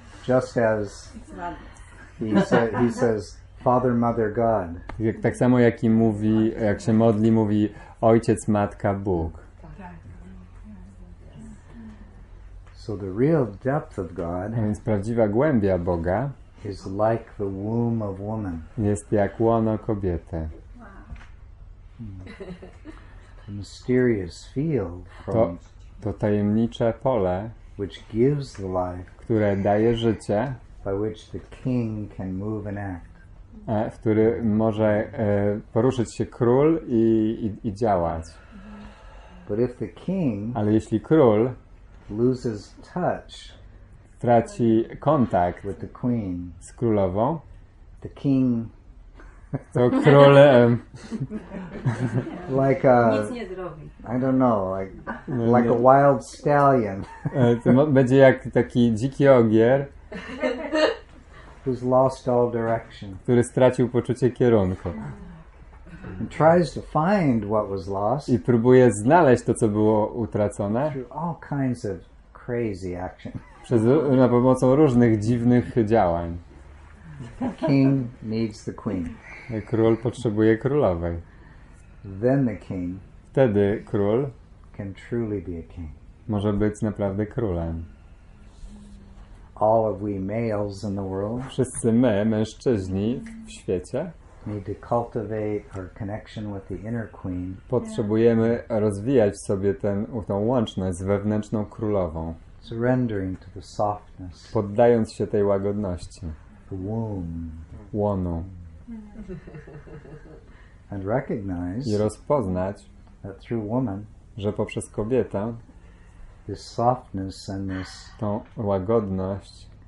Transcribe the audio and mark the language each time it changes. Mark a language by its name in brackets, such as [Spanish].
[English] Just as he says, Father, Mother, God. [Polish] Tak samo jak i mówi, jak się modli, mówi Ojciec, Matka, Bóg. [English] So the real depth of God, [Polish] a więc prawdziwa głębia Boga, [English] is like the womb of woman. [Polish] Jest jak łono kobiety. [English] The mysterious field from [Polish] to tajemnicze pole, [English] which gives the life, [Polish] które daje życie, [English] by which the king can move and act. [Polish] W który może poruszyć się król i działać. [English] But if the king, [Polish] ale jeśli król [English] loses touch, [Polish] traci kontakt [English] with the queen, [Polish] z królową, [English] the king, [Polish] to król [English] like a, [Polish] nic nie zrobi. [English] I don't know, like a wild stallion. [Polish] Będzie jak taki dziki ogier, [English] who's lost all direction, [Polish] który stracił poczucie kierunku. [English] And tries to find what was lost. [Polish] I próbuje znaleźć to, co było utracone. [English] Through all kinds of crazy action. [Polish] Na pomocą różnych dziwnych działań. [English] The king needs the queen. [Polish] Król potrzebuje królowej. [English] Then the king. [Polish] Wtedy król. [English] Can truly be a king. [Polish] Może być naprawdę królem. [English] All of we males in the world. [Polish] Wszyscy my, mężczyźni w świecie. [English] need to cultivate our connection with the inner queen. [Polish] Potrzebujemy rozwijać w sobie tę łączność z wewnętrzną królową. [English] Surrendering to the softness. [Polish] Poddając się tej łagodności. [English] The womb. [Polish] Łono. [English] And recognize. [Polish] I rozpoznać. [English] That through woman. [Polish] Że poprzez kobietę. [English] This softness and this. [Polish] Tą łagodność.